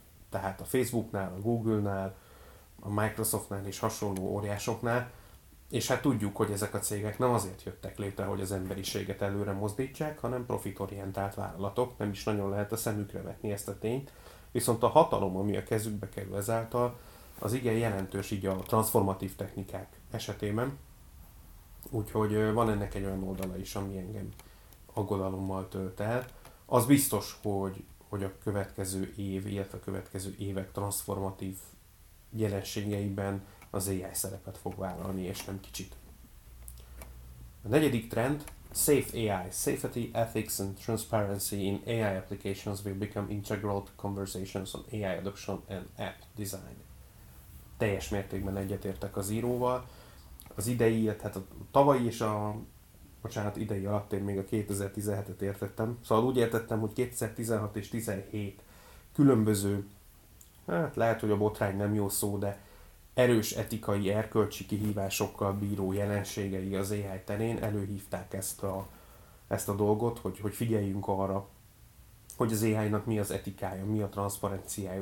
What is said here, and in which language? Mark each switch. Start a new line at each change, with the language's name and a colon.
Hungarian: Tehát a Facebooknál, a Googlenál, a Microsoftnál és hasonló óriásoknál, és hát tudjuk, hogy ezek a cégek nem azért jöttek létre, hogy az emberiséget előre mozdítsák, hanem profitorientált vállalatok, nem is nagyon lehet a szemükre vetni ezt a tényt, viszont a hatalom, ami a kezükbe kerül ezáltal, az igen jelentős így a transformatív technikák esetében, úgyhogy van ennek egy olyan oldala is, ami engem aggodalommal tölt el. Az biztos, hogy a következő év, illetve a következő évek transformatív jelenségeiben az AI szerepet fog vállalni, és nem kicsit. A negyedik trend, Safe AI.
English: Safety, ethics and transparency in AI applications will become integral to conversations on AI adoption and app design.
Hungarian: Teljes mértékben egyetértek az íróval. Az idei, tehát a tavalyi és a, bocsánat, idei alatt én még a 2017-et értettem. Szóval úgy értettem, hogy 2016 és 17 különböző, hát lehet, hogy a botrány nem jó szó, de erős etikai, erkölcsi kihívásokkal bíró jelenségei az AI terén előhívták ezt a dolgot, hogy figyeljünk arra, hogy az AI-nak mi az etikája, mi a transzparenciája.